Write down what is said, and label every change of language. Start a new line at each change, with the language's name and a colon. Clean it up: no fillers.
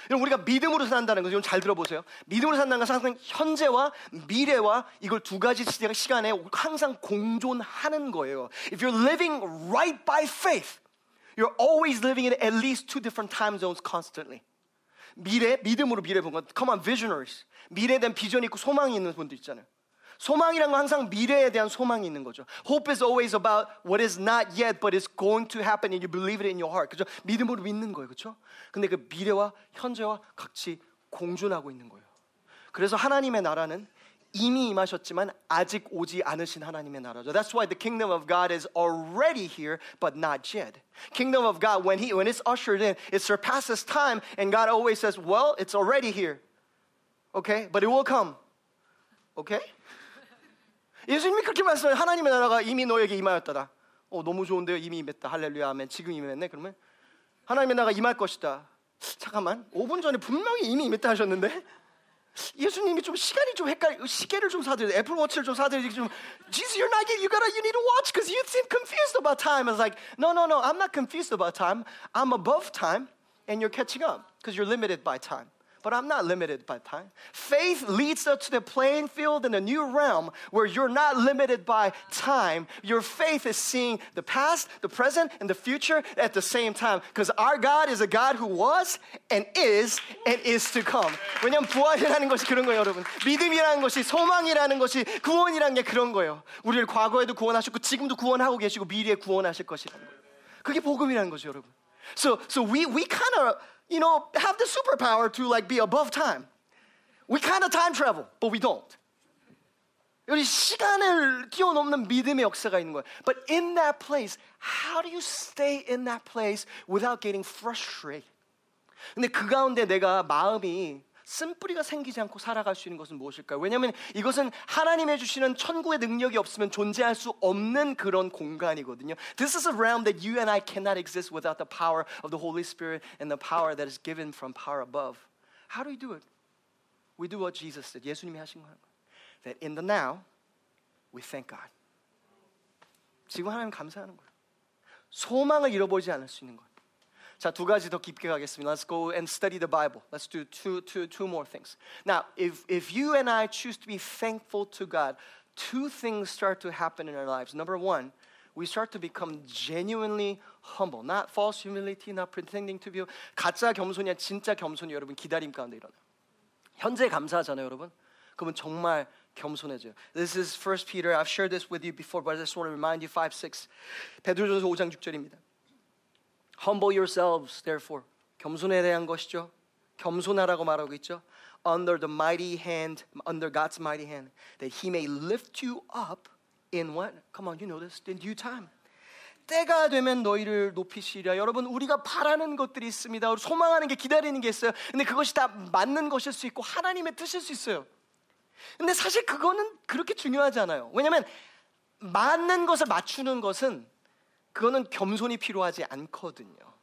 Korean: 여러분, 우리가 믿음으로 산다는 거 지금 잘 들어보세요. 믿음으로 산다는 건 항상 현재와 미래와 이걸 두 가지 시간에 항상 공존하는 거예요.
English: If you're living right by faith, you're always living in at least two different time zones constantly.
Korean: 미래, 믿음으로 미래 본 건
English: Come on, visionaries.
Korean: 미래에 대한 비전이 있고 소망이 있는 분들 있잖아요. 소망이란 건 항상 미래에 대한 소망이 있는 거죠.
English: Hope is always about what is not yet, but is going to happen and you believe it in your heart.
Korean: 그죠? 믿음으로 믿는 거예요, 그렇죠? 근데 그 미래와 현재와 같이 공존하고 있는 거예요. 그래서 하나님의 나라는 이미 임하셨지만 아직 오지 않으신 하나님의 나라죠.
English: That's why the kingdom of God is already here, but not yet. Kingdom of God, when it's ushered in, it surpasses time and God always says, well, it's already here, okay? But it will come, okay?
Korean: 예수님이 그렇게 말씀해요. 하나님의 나라가 이미 너에게 임하였다다. 너무 좋은데요. 이미 임했다. 할렐루야. 아멘. 지금 임했네. 그러면 하나님의 나라가 임할 것이다. 잠깐만. 5분 전에 분명히 이미 임했다 하셨는데 예수님이 좀 시간이 좀 헷갈려. 시계를 좀 사드려. 애플워치를 좀 사드려. 좀.
English: Jesus, you're not getting, you need a watch because you seem confused about time. I was like, no. I'm not confused about time. I'm above time and you're catching up because you're limited by time. But I'm not limited by time. Faith leads us to the playing field in a new realm where you're not limited by time. Your faith is seeing the past, the present, and the future at the same time. Because our God is a God who was and is to come.
Korean: 왜냐하면 부활이라는 것이 그런 거예요, 여러분. 믿음이라는 것이, 소망이라는 것이, 구원이라는 게 그런 거예요. 우리를 과거에도 구원하셨고 지금도 구원하고 계시고 미래에 구원하실 것이라는 거예요. 그게 복음이라는 거죠, 여러분.
English: So we kind of, you know, have the superpower to like be above time. We kind of time travel, but we don't.
Korean: 우리 시간을 뛰어넘는 믿음의 역사가 있는 거예요.
English: But in that place, how do you stay in that place without getting frustrated?
Korean: 근데 그 가운데 내가 마음이 쓴뿌리가 생기지 않고 살아갈 수 있는 것은 무엇일까요? 왜냐하면 이것은 하나님의 주시는 천국의 능력이 없으면 존재할 수 없는 그런 공간이거든요.
English: This is a realm that you and I cannot exist without the power of the Holy Spirit and the power that is given from power above. How do we do it? We do what Jesus did.
Korean: 예수님이 하신 거예요.
English: That in the now, we thank God.
Korean: 지금 하나님 감사하는 거예요. 소망을 잃어버리지 않을 수 있는 거예요. 자, 두 가지 더 깊게 가겠습니다.
English: Let's go and study the Bible. Let's do two more things. Now, if you and I choose to be thankful to God, two things start to happen in our lives. Number one, we start to become genuinely humble. Not false humility, not pretending to be.
Korean: 가짜 겸손이야, 진짜 겸손이 여러분 기다림 가운데 일어나요. 현재 감사하잖아요, 여러분. 그러면 정말 겸손해져요.
English: This is 1 Peter. I've shared this with you before, but I just want to remind you, 5-6.
Korean: 베드로전서 5장 6절입니다.
English: Humble yourselves, therefore.
Korean: 겸손에 대한 것이죠. 겸손하라고 말하고 있죠.
English: Under the mighty hand, under God's mighty hand, that he may lift you up in what? Come on, you know this. In due time.
Korean: 때가 되면 너희를 높이시리라. 여러분, 우리가 바라는 것들이 있습니다. 소망하는 게, 기다리는 게 있어요. 근데 그것이 다 맞는 것일 수 있고 하나님의 뜻일 수 있어요. 근데 사실 그거는 그렇게 중요하지 않아요. 왜냐하면 맞는 것을 맞추는 것은 그거는 겸손이 필요하지 않거든요.